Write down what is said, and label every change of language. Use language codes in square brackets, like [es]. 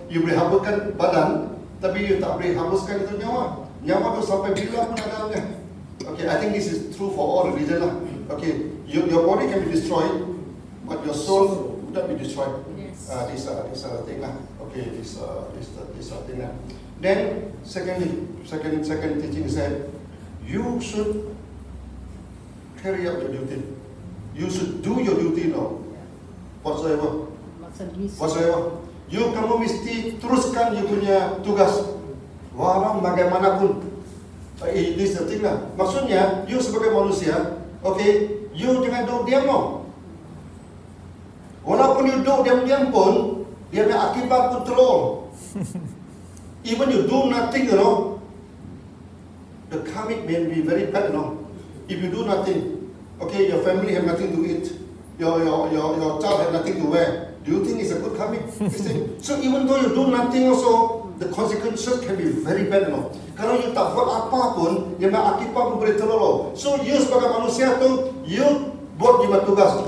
[ms] You boleh hapuskan badan, tapi you tak boleh hapuskan itu nyawa. Nyawa tu sampai bila pun ada dalamnya. [en] Okay, I think this is true for all religion lah. Okay, your body can be destroyed, but your soul would not be destroyed. Yes. This is the thing lah. Okay, this thing lah. Then, second teaching said, you should carry out your duty. You should do your duty now. Whatsoever. [ms] You kamu mesti teruskan you punya tugas. Walau bagaimanapun. [en] This is the thing lah. [ms] Maksudnya, you sebagai manusia, okay, you jangan duduk diam lah. Walaupun you duduk diam-diam pun, dia punya akibat pun teruk. [en] Even you do nothing, you know, the karmic may be very bad, you know. If you do nothing, okay, your family have nothing to eat. your child has nothing to wear. Do you think it's a good karmic? So even though you do nothing also, the consequences can be very bad. No? [ms] Kalau you tak buat apa pun, ia mengakibat memberi terlalu. So you sebagai manusia tu, you buat juga tugas.